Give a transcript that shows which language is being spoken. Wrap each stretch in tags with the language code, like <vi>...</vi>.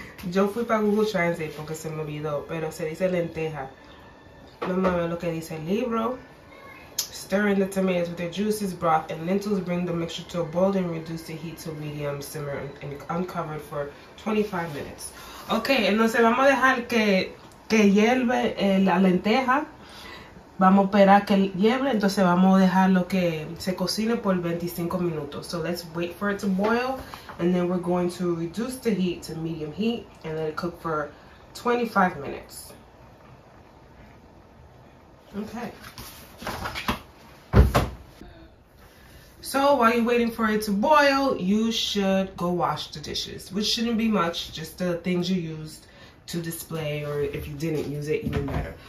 <es>Yo fui para Google Translate porque se me olvidó, pero se dice lenteja. Vamos a ver lo que dice el libro.</es> <en>Stirring the tomatoes with their juices, broth, and lentils bring the mixture to a boil and reduce the heat to medium simmer and uncovered for 25 minutes.</en> <es>Okay, entonces vamos a dejar que hierve la lenteja. Vamos a esperar que hierve, entonces vamos a dejar lo que se cocine por 25 minutos.</es> <en>So let's wait for it to boil, and then we're going to reduce the heat to medium heat and let it cook for 25 minutes. Okay. So while you're waiting for it to boil, you should go wash the dishes, which shouldn't be much, just the things you used to display, or if you didn't use it, even better.</en>